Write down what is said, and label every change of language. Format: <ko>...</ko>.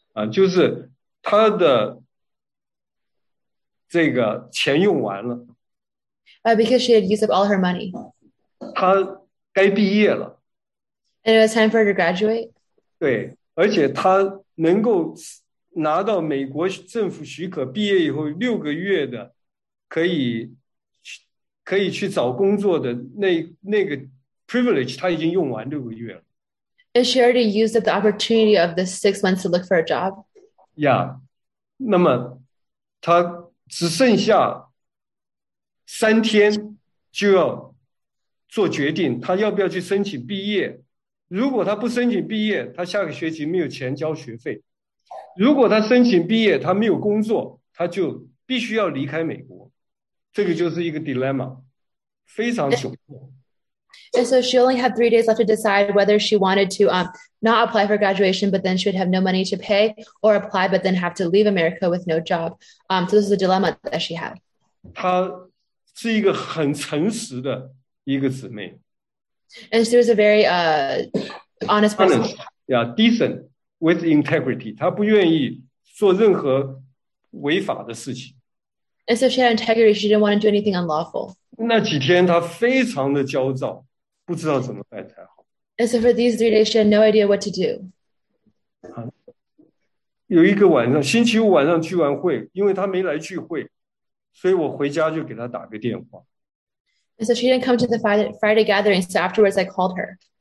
<zh>就是她的这个钱用完了。</zh> <en>Because she had used up all her money.</en> <zh>她该毕业了。</zh> <en>And it was time for her to graduate.</en> <zh>对，而且她能够拿到美国政府许可，毕业以后六个月的可以去找工作的那个 privilege 她已经用完六个月了。</zh> <en>And she already used up the opportunity of the 6 months to look for a job. Yeah.</en> <zh>那么她只剩下三天就要做决定，他要不要去申请毕业？如果他不申请毕业，他下个学期没有钱交学费；如果他申请毕业，他没有工作，他就必须要离开美国。这个就是一个 dilemma， 非常窘迫。</zh> <en>And so she only had 3 days left to decide whether she wanted to not apply for graduation, but then she would have no money to pay, or apply but then have to leave America with no job. So this is a dilemma that she had.</en> <zh>她是一个很诚实的一个姊妹。</zh> <en>And she was a very honest person. Honest, yeah, decent, with integrity.</en> <zh>她不愿意做任何违法的事情。</zh> <en>And so she had integrity, she didn't want to do anything unlawful.</en> <zh>那几天她非常的焦躁，不知道怎么办才好。</zh> <en>And so for these 3 days, she had no idea what to do.</en> <zh>有一个晚上，星期五晚上聚完会，因为她没来聚会，所以我回家就给她打个电话。</zh> <en>And so she didn't come to the Friday gathering, so afterwards I called her.</en>